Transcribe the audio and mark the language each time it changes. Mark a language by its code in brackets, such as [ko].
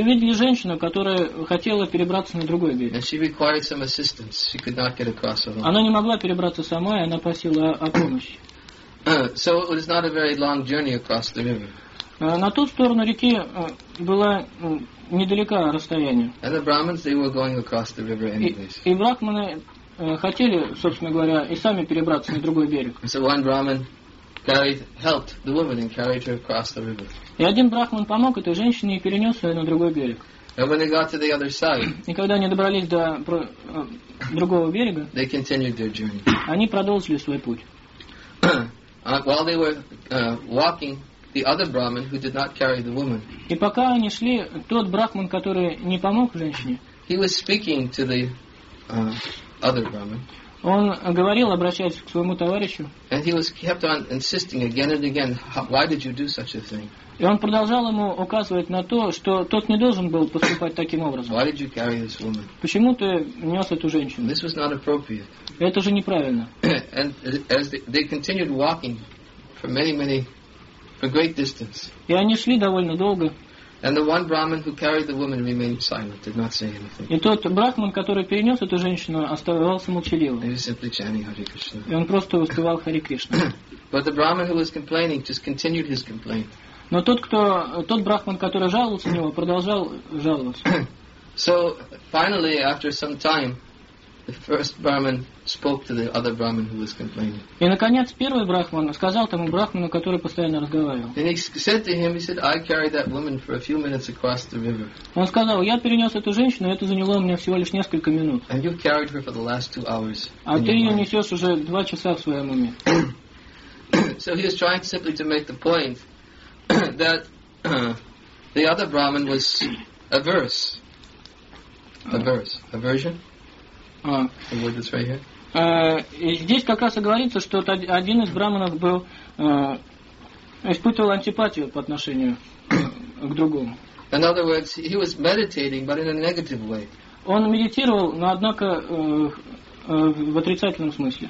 [ru] увидели женщину, которая хотела перебраться на другой берег. [en] And she required some assistance. She could not get across alone. [ru] Она не могла перебраться сама, и она просила о помощи. [en] So it was not a very long journey across the river. [ru] На ту сторону реки было недалеко расстояние. [en] And the Brahmins, they were going across the river anyways. [ru] И брахманы хотели, собственно говоря, и сами перебраться на другой берег. [en] So one Brahmin helped the woman and carried her across the river. [ru] И один брахман помог этой женщине и перенес ее на другой берег. [en] And when they got to the other side, [ru] и когда они добрались до другого берега, [en] they continued their journey. [ru] Они продолжили свой путь. [en] While they were walking, the other Brahmin who did not carry the woman. [ru] И пока они шли, тот брахман, который не помог женщине, [en] he was speaking to the other Brahmin. [ru] Он говорил, обращаясь к своему товарищу. [en] And he was kept on insisting again and again, why did you do such a thing? [ru] И он продолжал ему указывать на то, что тот не должен был поступать таким образом. [en] Why did you carry this woman? [ru] Почему ты нес эту женщину? [en] This was not appropriate. [ru] Это же неправильно. [en] And as they continued walking for many a great distance. [ru] И они шли довольно долго. [en] And the one Brahmin who carried the woman remained silent, did not say anything. [ru] И тот брахман, который перенес эту женщину, оставался молчаливым. [en] He was simply chanting Hare Krishna. [ru] И он просто воспевал Харе Кришну. [en] But the Brahmin who was complaining just continued his complaint. [ru] Но тот брахман, который жаловался на него, продолжал жаловаться. [en] So finally, after some time, The first Brahman spoke to the other Brahman who was complaining. [ru] И наконец первый брахман сказал тому брахману, который постоянно разговаривал. [en] And he said to him, he said, I carried that woman for a few minutes across the river. [ru] Он сказал, я перенес эту женщину, это заняло у меня всего лишь несколько минут. [en] And you carried her for the last 2 hours. [ru] А ты ее несешь уже 2 часа в своем уме. [en] So he was trying simply to make the point that the other Brahman was averse. Averse. Aversion? [ru] Здесь как раз и говорится, что один из браманов был испытывал антипатию по отношению к другому. [en] In other words, he was meditating, but in a negative way. [ru] Он медитировал, но однако в отрицательном смысле.